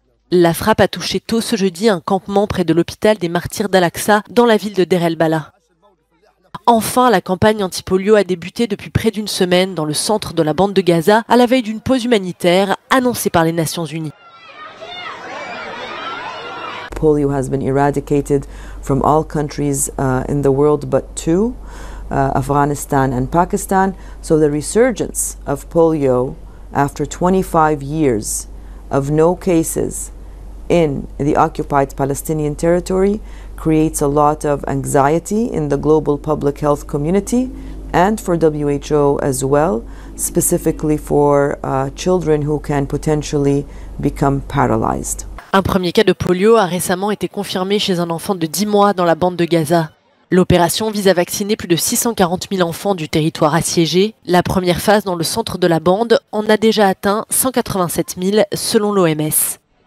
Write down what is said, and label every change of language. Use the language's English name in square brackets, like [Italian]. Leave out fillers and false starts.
[French] La frappe a touché tôt ce jeudi un campement près de l'hôpital des martyrs d'Al-Aqsa dans la ville de Deir el-Bala. Enfin, la campagne anti-polio a débuté depuis près d'une semaine dans le centre de la bande de Gaza, à la veille d'une pause humanitaire annoncée par les Nations Unies. [English] Polio has been eradicated from all countries in the world but two, Afghanistan and Pakistan. So the resurgence of polio after 25 years of no cases in the occupied Palestinian territory creates a lot of anxiety in the global public health community and for WHO as well, specifically for children who can potentially become paralyzed. [French] Un premier cas de polio a récemment été confirmé chez un enfant de 10 mois dans la bande de Gaza. L'opération vise à vacciner plus de 640 000 enfants du territoire assiégé. La première phase dans le centre de la bande en a déjà atteint 187 000 selon l'OMS.